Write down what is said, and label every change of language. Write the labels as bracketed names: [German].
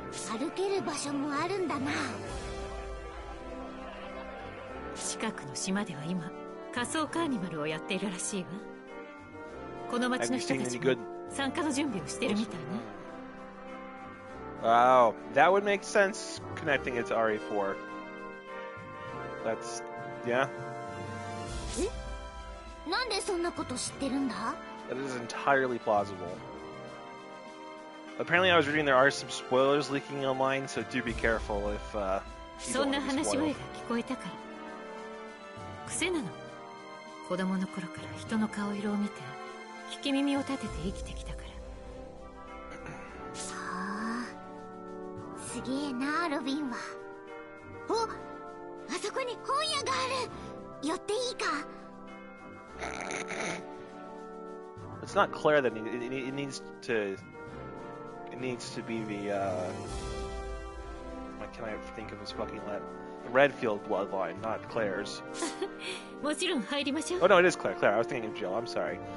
[Japanese] 歩ける場所もあるんだな。近くの島では今仮想カーニバルをやっているらしいわ。この街の人たちも参加の準備をしてるみたいね。 [English] Wow, that would make sense connecting it to RE4. That's yeah. [Japanese] なんでそんなこと知ってるんだ? [English] That is entirely plausible. Apparently, I was reading there are some spoilers leaking online, so do be careful if [Japanese] そんな話声が聞こえたから。癖なの。子供の頃から人の顔色を見て、聞き耳を立てて生きてきたから。はあ。すげえな、ロビンは。お、あそこに本屋がある。寄っていいか? [English] It's not Claire that needs to be the, my can I think of his fucking land? The Redfield bloodline, not Claire's. Oh, no, it is Claire. Claire, I was thinking of Jill. I'm sorry.